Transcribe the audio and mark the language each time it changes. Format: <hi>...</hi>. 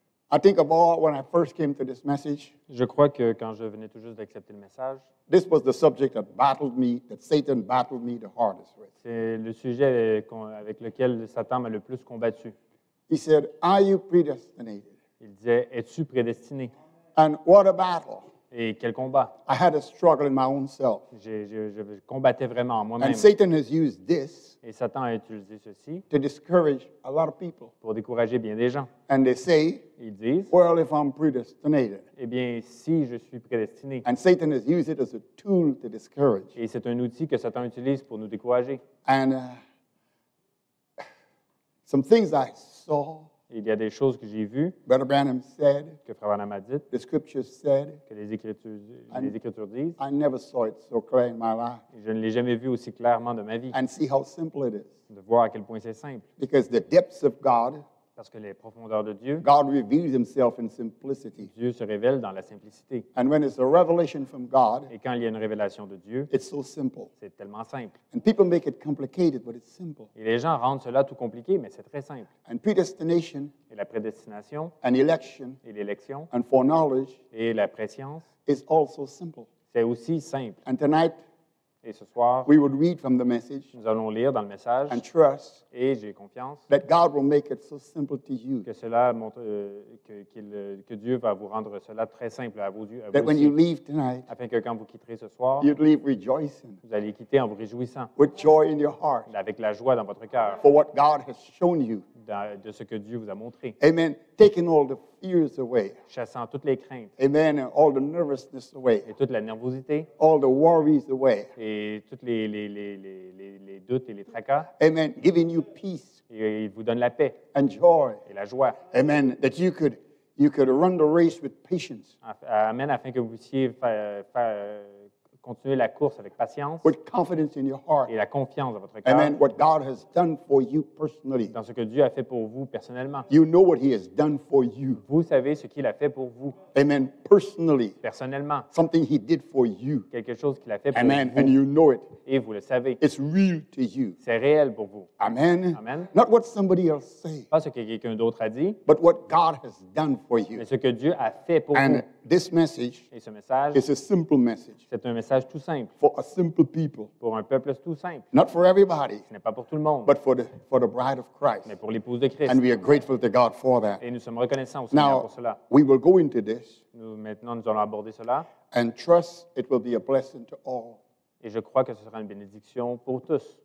<en>I think of all when I first came to this message.</en> <fr>Je crois que quand je venais tout juste d'accepter le message.</fr> <en>This was the subject that battled me, that Satan battled me the hardest with.</en> <fr>C'est le sujet avec lequel Satan m'a le plus combattu.</fr> <en>He said, "Are you predestinated?"</en> <fr>Il disait, es-tu prédestiné?</fr> <en>And what a battle!</en> <fr>Et quel combat!</fr> <en>I had a struggle in my own self.</en> <fr>Je combattais vraiment moi-même.</fr> <en>And Satan has used this.</en> <fr>Et Satan a utilisé ceci.</fr> <en>To discourage a lot of people.</en> <fr>Pour décourager bien des gens.</fr> <en>And they say.</en> <fr>Ils disent.</fr> <en>Well, if I'm predestinated.</en> <fr>Eh bien, si je suis prédestiné.</fr> <en>And Satan has used it as a tool to discourage.</en> <fr>Et c'est un outil que Satan utilise pour nous décourager.</fr> <en>And some things I saw.</en> <fr>Il y a des choses que j'ai vues.</fr> <en>Brother Branham said,</en> <fr>que Frère Branham a dites.</fr> <en>The scriptures said,</en> <fr>que les écritures disent.</fr> <en>I never saw it so clear in my life.</en> <fr>Je ne l'ai jamais vu aussi clairement de ma vie.</fr> <en>And see how simple it is.</en> <fr>De voir à quel point c'est simple.</fr> <en>Because the depths of God,</en> <fr>parce que les profondeurs de Dieu.</fr> <en>God reveals himself in simplicity.</en> <fr>Dieu se révèle dans la simplicité.</fr> <en>And when it's a revelation from God,</en> <fr>et quand il y a une révélation de Dieu,</fr> <en>it's so simple.</en> <fr>C'est tellement simple.</fr> <en>And people make it complicated, but it's simple.</en> <fr>Et les gens rendent cela tout compliqué, mais c'est très simple.</fr> <en>And predestination,</en> <fr>et la prédestination,</fr> <en>and election,</en> <fr>et l'élection,</fr> <en>and foreknowledge,</en> <fr>et la préscience,</fr> <en>is also simple.</en> <fr>C'est aussi simple.</fr> <en>And tonight,</en> <fr>et ce soir,</fr> <en>we would read from the message,</en> <fr>nous allons lire dans le message</fr> <en>and trust,</en> <fr>et j'ai confiance</fr> <en>that God will make it so simple to you,</en> <fr>que cela montre que Dieu va vous rendre cela très simple à vos yeux,</fr> <en>that</en> <fr>vous aussi,</fr> <en>when you leave tonight,</en> <fr>afin que quand vous quitterez ce soir,</fr> <en>you'd leave rejoicing,</en> <fr>vous allez quitter en vous réjouissant,</fr> <en>with joy in your heart,</en> <fr>avec la joie dans votre cœur,</fr> <en>for what God has shown you,</en> <fr>de ce que Dieu vous a montré.</fr> <en>Amen. Taking all the fears away.</en> <fr>Chassant toutes les craintes.</fr> <en>Amen. All the nervousness away.</en> <fr>Et toute la nervosité.</fr> <en>All the worries away.</en> <fr>Et toutes les doutes et les tracas.</fr> <en>Amen. Giving you peace.</en> <fr>Et il vous donne la paix.</fr> <en>And joy.</en> <fr>Et la joie.</fr> <en>Amen. That you could run the race with patience. Amen.</en> <fr>Afin que vous puissiez faire continuer la course avec patience.</fr> <en>With confidence in your heart.</en> <fr>Et la confiance dans votre cœur.</fr> <en>Amen. What God has done for you personally.</en> <fr>Dans ce que Dieu a fait pour vous personnellement.</fr> <en>You know what he has done for you.</en> <fr>Vous savez ce qu'il a fait pour vous.</fr> <en>Amen. Personally.</en> <fr>Personnellement.</fr> <en>Something he did for you.</en> <fr>Quelque chose qu'il a fait</fr> <en>Amen.</en> <fr>Pour vous.</fr> <en>Amen. And you know it.</en> <fr>Et vous le savez.</fr> <en>It's real to you.</en> <fr>C'est réel pour vous.</fr> <en>Amen. Amen. Not what somebody else say.</en> <fr>Pas ce que quelqu'un d'autre a dit.</fr> <en>But what God has done for you.</en> <fr>Mais ce que Dieu a fait pour</fr> <en>and</en> <fr>vous.</fr> <en>This message,</en> <fr>et ce message</fr> <en>is a simple message.</en> <fr>C'est un message tout simple.</fr> <en>For a simple people.</en> <fr>Pour un peuple tout simple.</fr> <en>Not for everybody.</en> <fr>Ce n'est pas pour tout le monde.</fr> <en>But for the bride of Christ.</en> <fr>Mais pour l'épouse de Christ.</fr> <en>And we are grateful to God for that.</en> <fr>Et nous sommes reconnaissants au Seigneur pour cela.</fr> <en>Now, we will go into this.</en> <fr>Maintenant, nous allons aborder cela.</fr> <en>And trust it will be a blessing to all.</en> <fr>Et je crois que ce sera une bénédiction pour tous.</fr>